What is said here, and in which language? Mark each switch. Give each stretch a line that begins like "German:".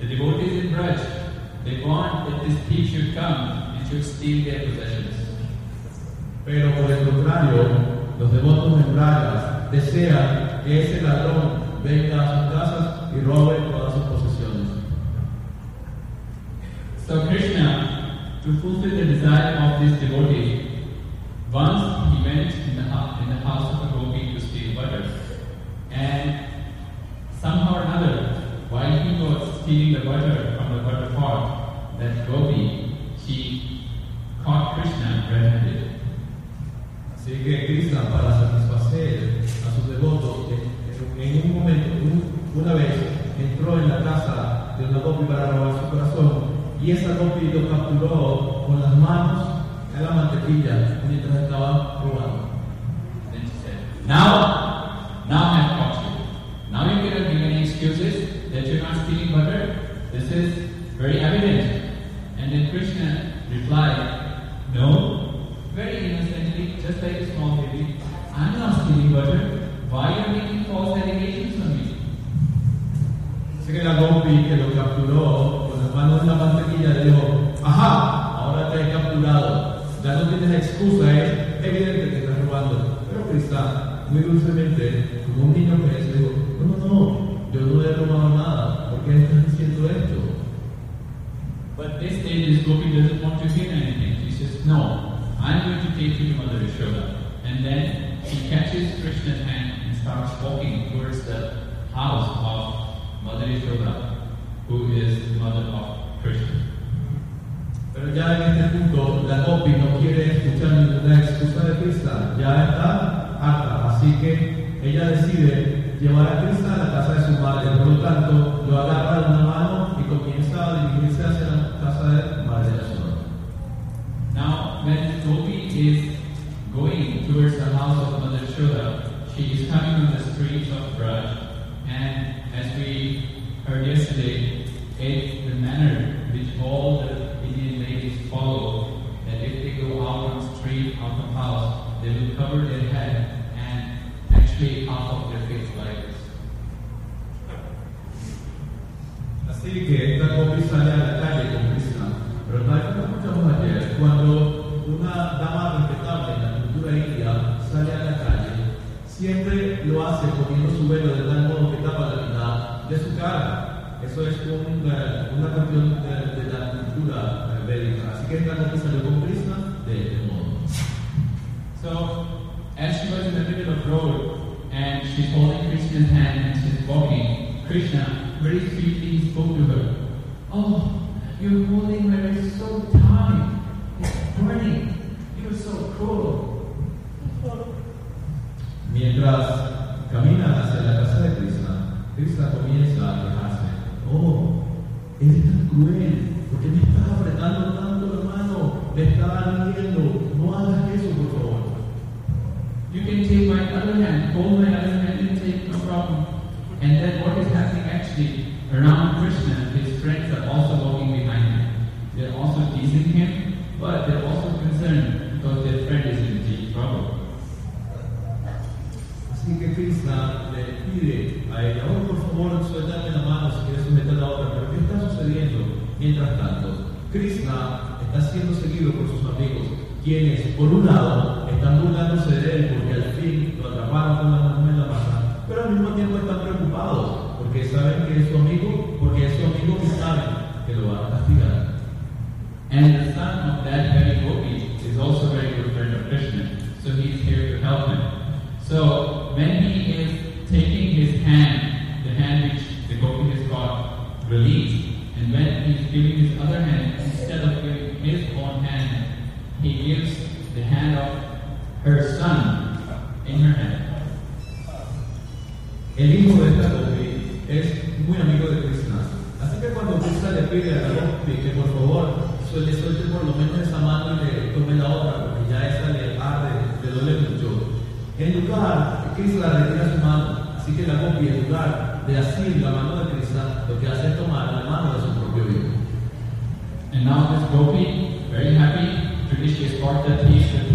English: The devotees in Braj, they want that this thief should come and should steal their possessions.
Spanish: Pero por el contrario, los devotos en Braj desean que ese ladrón venga a sus casas y robe todas sus posesiones.
English: So Krishna, to fulfill the desire of this devotee, once he went in the house of a gopi to steal butter, and somehow or another, while he was stealing the butter from the butter pot, that gopi, she caught Krishna red-handed.
Spanish: Así que Krishna, para satisfacer a sus devotos, en un momento, una vez, entró en la casa de una gopi para robar su corazón, y esa gopi lo capturó con las manos en la mantequilla mientras estaba robando.
English: Then she said, Now I have caught you. Now you cannot give any excuses that you're not stealing butter. This is very evident. And then Krishna replied, No, very innocently, just like a small baby, I'm not stealing butter. Why are you making false allegations on me?
Spanish: Así que la gopi que lo capturó con las manos de la mantequilla dijo, Ajá, ahora te he capturado. Ya no tienes excusa, es evidente que estás robando. Pero Krishna, muy dulcemente, como un niño que es, dijo, No, yo no he robado nada. ¿Por qué estás diciendo esto?
English: But this day this gopi doesn't want to hear anything. She says, No, I'm going to take you to Mother Yashoda. And then she catches Krishna's hand and starts walking towards the house of Mother Yashoda, who is the mother of Krishna.
Spanish: Pero ya en este punto, la gopi no quiere escuchar ninguna excusa de Krishna. Ya está harta. Así que ella decide llevar a Krishna a la casa de su madre. Por lo tanto, lo agarra de una mano y comienza a dirigirse hacia la casa de
English: Mother Yashoda. Now, when the gopi is going towards the house of Mother Yashoda, she is coming on the streets of Braj, and as we heard yesterday, it's the manner which all the Indian ladies follow, that if they go out on the street of the house, they will cover their head and actually half of their face lies.
Spanish: Así que esta gopi sale a la calle con Krishna, pero tal como escuchamos ayer, cuando una dama respetable en la cultura india sale a la calle, siempre lo hace poniendo su velo de tal modo que tapa la mitad de su cara. Eso es como una cuestión de la cultura védica. Así que esta gopi salió con Krishna de este modo.
English: So, as she was in the middle of the road and she's holding Krishna's hand and she's walking, Krishna very sweetly spoke to her. Oh, you're holding my wrist so tight. It's burning. You're so cruel.
Spanish: Mientras camina hacia la casa de Krishna, Krishna comienza a quejarse. Oh, eres tan cruel. ¿Por qué me estás apretando tanto, hermano? Me estás ardiendo. No hagas eso, por favor.
English: You can take my other hand, hold my other hand, and take no problem. And then what is happening actually around Krishna, his friends are also walking behind him. They're also teasing him, but they're also concerned because their friend is in deep trouble.
Spanish: Así que Krishna le pide a ella, oh, por favor, suéltame la mano si quieres someter la otra. Pero ¿qué está sucediendo? Mientras tanto, Krishna está siendo seguido por sus amigos, quienes, por un lado, están burlándose de él porque al fin lo atraparon con la mano en la masa, pero al mismo tiempo están preocupados porque saben que es su amigo, porque es su amigo que sabe que lo va a castigar.
English: And the son of that very gopi is also a very good friend of Krishna, so he is here to help him. So when he is taking his hand, the hand which the gopi has got released, and when he is giving his other hand, instead of giving his own hand, he gives the hand of her son in her hand.
Spanish: El hijo de esta Gopi es muy amigo de Krishna. Así que cuando Krishna le pide a la Gopi que por favor le suelte por lo menos esa mano y le tome la otra, porque ya esta le arde, le duele mucho, en lugar, Krishna le tira su mano. Así que la Gopi, en lugar de asir la mano de Krishna, lo que hace es tomar la mano de su propio hijo.
English: And now this Gopi, very happy, traditionally is part of the peace.